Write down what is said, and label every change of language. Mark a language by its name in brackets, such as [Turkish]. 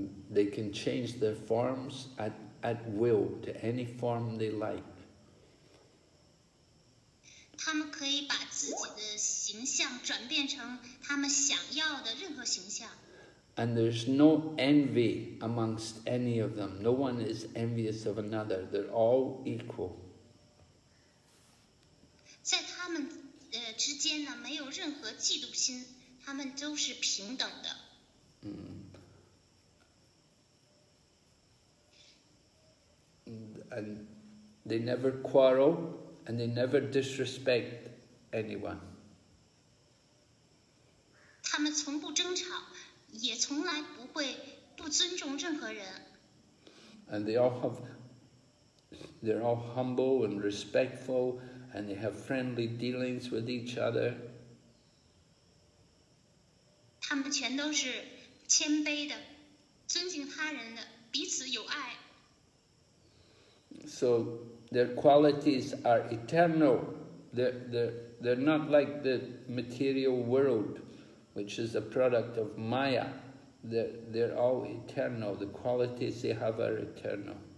[English] They can change their forms at will, to any form they like. [Chinese] 他们可以把自己的形象转变成他们想要的任何形象。 [English] And there's no envy amongst any of them. No one is envious of another. They're all equal. [Chinese] 在他们之间呢，没有任何嫉妒心，他们都是平等的。 [English] And they never quarrel, and they never disrespect anyone. [Chinese] 他们从不争吵，也从来不会不尊重任何人。 [English] And they're all humble and respectful, and they have friendly dealings with each other. [Chinese] 他们全都是谦卑的，尊敬他人的，彼此友爱。 [English] So their qualities are eternal. They're not like the material world, which is a product of Maya. They're all eternal. The qualities they have are eternal.